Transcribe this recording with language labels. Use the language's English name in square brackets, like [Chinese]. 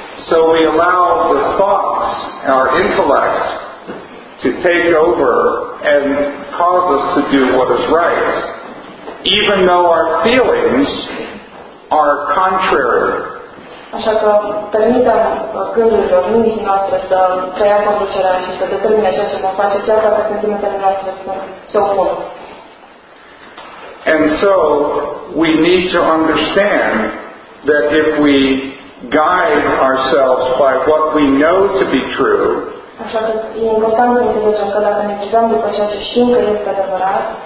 [English] So we allow the thoughts, our intellect, to take over and cause us to do what is right, even though our feelings are contrary. [Romanian] Așa că permitem gândurilor, mintii noastre să creia conducerea și să determine ceea ce vom face, chiar dacă sentimentele noastre se opun. [English] And so we need to understand that if we guide ourselves by what we know to be true, [Romanian] așa că e important să înțelegem că dacă ne ghidăm după ceea ce știm că este adevărat,